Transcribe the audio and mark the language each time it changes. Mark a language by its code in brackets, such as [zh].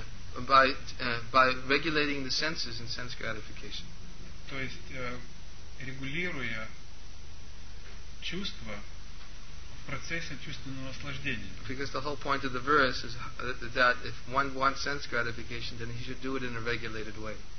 [en] By regulating the senses in sense gratification. [ru] То есть регулируя чувства в процессе чувственного наслаждения. [en] Because the whole point of the verse is that if one wants sense gratification, then he should do it in a regulated way.